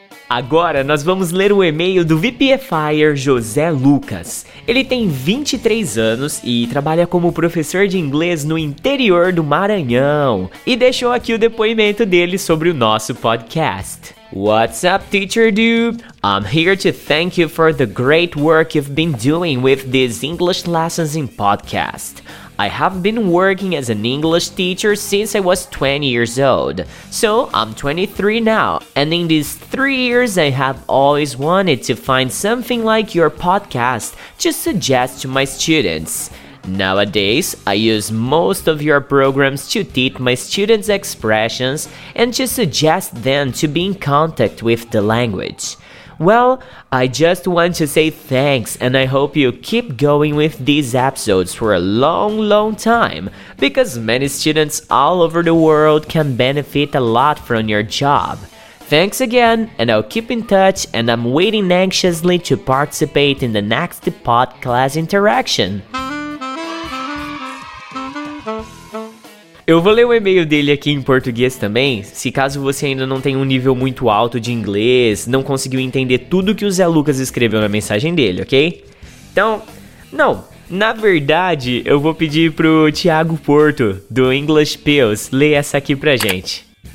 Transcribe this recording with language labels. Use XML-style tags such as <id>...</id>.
<pt>Agora nós vamos ler o e-mail do VPFire José Lucas. Ele tem 23 anos e trabalha como professor de inglês no interior do Maranhão. E deixou aqui o depoimento dele sobre o nosso podcast.</pt> <en>What's up, teacher dude? I'm here to thank you for the great work you've been doing with these English lessons in podcast. I have been working as an English teacher since I was 20 years old. So, I'm 23 now, and in these 3 years I have always wanted to find something like your podcast to suggest to my students. Nowadays, I use most of your programs to teach my students expressions and to suggest them to be in contact with the language. Well, I just want to say thanks and I hope you keep going with these episodes for a long, long time because many students all over the world can benefit a lot from your job. Thanks again and I'll keep in touch and I'm waiting anxiously to participate in the next pod class interaction.</en> <pt>Eu vou ler o e-mail dele aqui em português também, se caso você ainda não tem um nível muito alto de inglês, não conseguiu entender tudo que o Zé Lucas escreveu na mensagem dele, ok? Então, não, na verdade, eu vou pedir pro Thiago Porto, do English Pills, ler essa aqui pra gente.</pt>